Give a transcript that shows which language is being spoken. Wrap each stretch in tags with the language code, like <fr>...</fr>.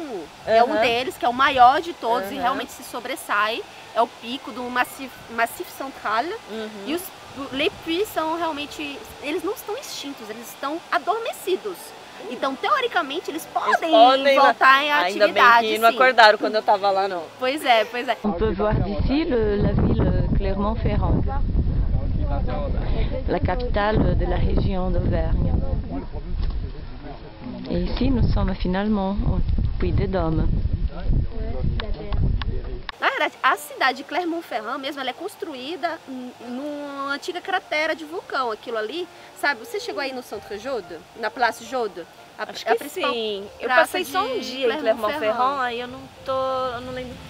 <pt>Uh-huh. É um deles, que é o maior de todos, uh-huh, e realmente se sobressai. É o pico do Massif Central. Uh-huh. E os</pt> <fr>les puits</fr> <pt>são realmente. Eles não estão extintos, eles estão adormecidos. Então, teoricamente, eles podem voltar em atividade. Ainda bem que não acordaram quando eu estava lá, não. Pois é.</pt> <fr>On peut voir d'ici la ville Clermont-Ferrand, la capitale de la région d'Auvergne. Et ici, nous sommes finalement au Puy de Dôme.</fr> <pt>Na verdade, a cidade de Clermont-Ferrand mesmo, ela é construída numa antiga cratera de vulcão, aquilo ali. Sabe, você chegou aí no Centre Jude, na Place Jude? Acho que sim. Eu passei só um dia em Clermont-Ferrand, aí eu não lembro.</pt>